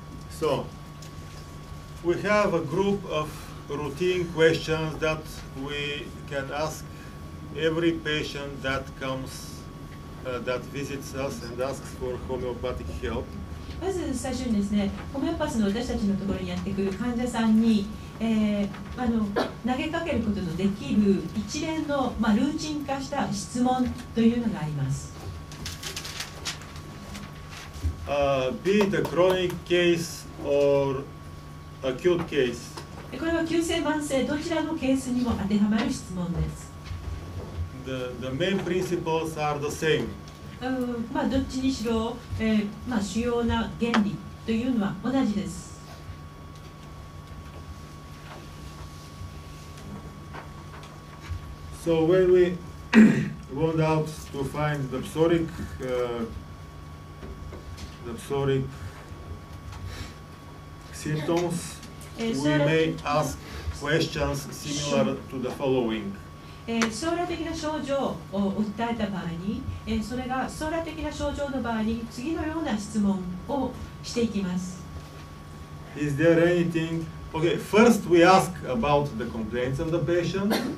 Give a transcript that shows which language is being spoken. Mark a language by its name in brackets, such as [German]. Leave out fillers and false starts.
[English] So, we have a group of routine questions that we can ask every patient that comes, that visits us and asks for homeopathic help. [Japanese] まず最初にですね、ホメオパスの私たちのところにやってくる患者さんに、投げかけることのできる一連の、ルーチン化した質問というのがあります。 [English] Be it a chronic case,or acute case. [Japanese] これは急性慢性どちらのケースにも当てはまる質問です。 [English] The main principles are the same. [Japanese] どっちにしろ、主要な原理というのは同じです。 [English] So when we went out to find the psoric, symptoms, we may ask questions similar to the following. [Japanese] ソーラ的な症状を訴えた場合に、それがソーラ的な症状の場合に次のような質問をしていきます。 Is there anything? Okay, first we ask about the complaints of the patient.